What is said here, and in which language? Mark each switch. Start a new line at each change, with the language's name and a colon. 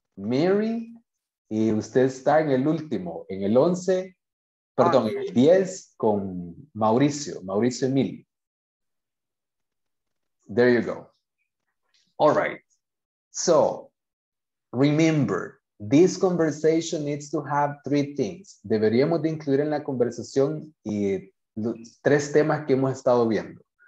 Spanish: Mary, y usted está en el último, en el 11, perdón, en el 10 con Mauricio Emil.
English: There you go. All right. So, remember, this conversation needs to have three things.
Spanish: Deberíamos de incluir en la conversación y los tres temas que hemos estado viendo.